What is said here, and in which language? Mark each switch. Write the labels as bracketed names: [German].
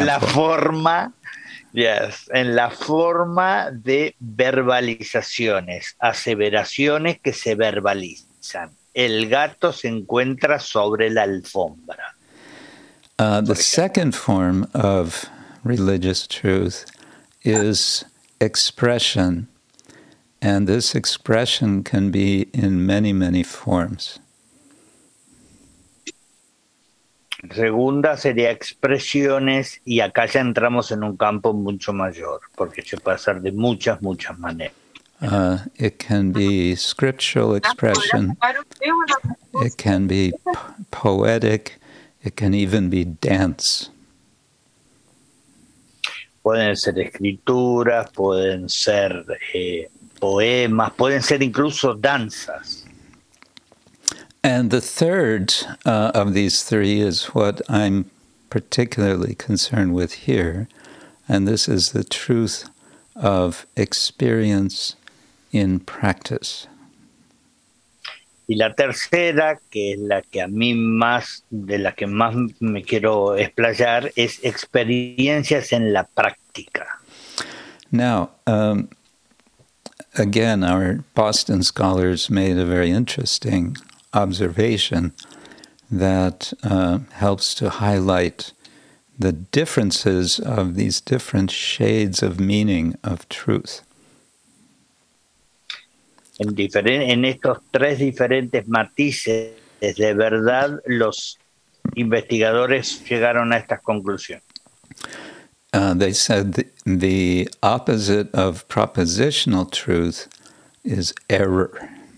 [Spanish] En la forma, [English] yes, [Spanish] en la forma de verbalizaciones, aseveraciones que se verbalizan. El gato se encuentra sobre la alfombra. [English] The second form of religious truth is expression. And this expression can be in many, many forms. [Spanish] Segunda sería expresiones, y acá ya entramos en un campo mucho mayor, porque se puede hacer de muchas, muchas maneras. [English] It can be scriptural expression. It can be poetic. It can even be dance. [Spanish] Pueden ser escrituras, pueden ser poemas, pueden ser incluso danzas. [English] And the third of these three is what I'm particularly concerned with here, and this is the truth of experience in practice. [Spanish] Y la tercera, que es la que a mí más, de la que más me quiero explayar, es experiencias en la práctica. [English] Now, again, our Boston scholars made a very interesting observation that helps to highlight the differences of these different shades of meaning of truth. [Spanish] En estos tres diferentes matices de verdad, los investigadores llegaron a estas conclusiones. [English] They said the opposite of propositional truth is error.